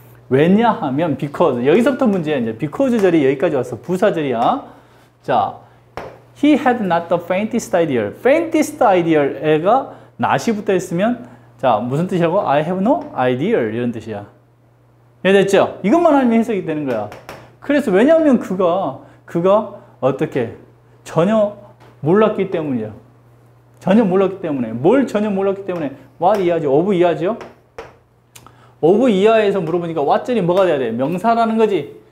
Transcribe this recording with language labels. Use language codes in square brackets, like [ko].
[ko] 왜냐하면 because 여기서부터 문제야 이제 because 절이 여기까지 왔어 부사절이야. [en] 자, he had not the faintest idea. [ko] faintest idea가 not이부터 했으면 자 무슨 뜻이라고? [en] I have no idea [ko] 이런 뜻이야. 이해됐죠? 이것만 알면 해석이 되는 거야. 그래서 왜냐하면 그가 어떻게 전혀 몰랐기 때문이야. 전혀 몰랐기 때문에 뭘 전혀 몰랐기 때문에 what 이하지? of 이하지요? 오브 이하에서 물어보니까 왓절이 뭐가 돼야 돼? 명사라는 거지.